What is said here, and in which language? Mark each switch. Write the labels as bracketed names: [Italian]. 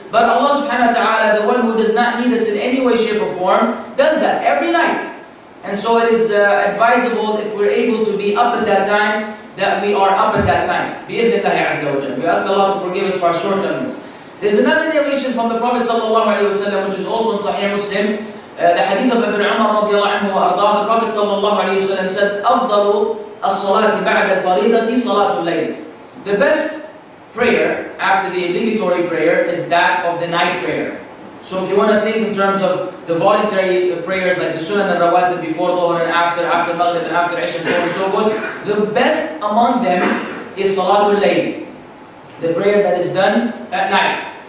[English] But Allah subhanahu wa ta'ala, the one who does not need us in any way, shape or form, does that every night. And so it is advisable if we're able to be up at that time, that we are up at that time. [Arabic] بإذن الله عز وجل. [English] We ask Allah to forgive us for our shortcomings. There's another narration from the Prophet [Arabic] صلى الله عليه وسلم, [English] which is also in Sahih Muslim. The hadith of Ibn Umar [Arabic] رضي الله عنه وأرضاه, [English] the Prophet [Arabic] صلى الله عليه وسلم [English] said, [Arabic] أفضل الصلاة بعد الفريضة صلاة الليل. [English] The best prayer after the obligatory prayer is that of the night prayer. So if you want to think in terms of the voluntary prayers like the Sunan and Rawatib before Dhuhr and after Maghrib and after Isha and so on and so forth, the best among them is Salatul Layl, the prayer that is done at night.